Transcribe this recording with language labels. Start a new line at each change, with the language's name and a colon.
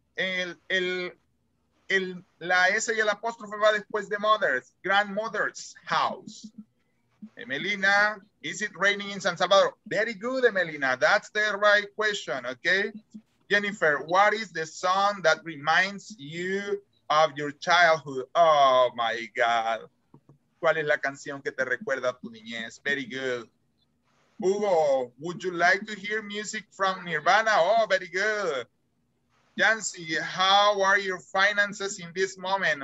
Spanish: La S y el apóstrofe va después de mother's,
English: grandmother's house. Emelina, is it raining in San Salvador? Very good, Emelina. That's the right question, okay? Jennifer, what is the song that reminds you of your childhood? Oh, my God.
Spanish: ¿Cuál es la canción que te recuerda a tu niñez?
English: Very good. Hugo, would you like to hear music from Nirvana? Oh, very good. Yancy, how are your finances in this moment?